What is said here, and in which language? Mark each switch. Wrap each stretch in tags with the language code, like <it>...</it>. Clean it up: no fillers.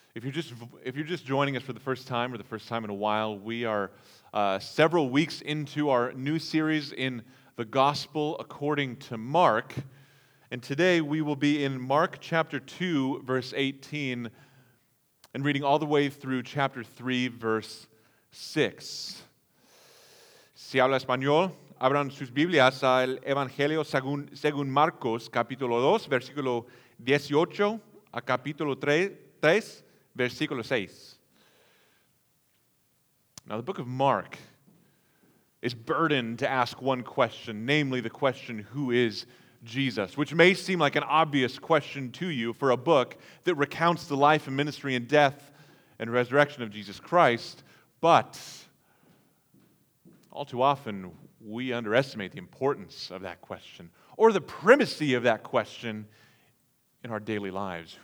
<en>If you're just joining us for the first time or the first time in a while, we are several weeks into our new series in the Gospel according to Mark. And today we will be in Mark chapter 2, verse 18, and reading all the way through chapter 3, verse 6.</en> <es>Si habla español, abran sus Biblias al Evangelio según Marcos, capítulo 2, versículo 18, a capítulo 3, versículo 6.</es> <en>Now, the book of Mark is burdened to ask one question, namely the question, who is Jesus? Which may seem like an obvious question to you for a book that recounts the life and ministry and death and resurrection of Jesus Christ, but all too often we underestimate the importance of that question or the primacy of that question in our daily lives.</en>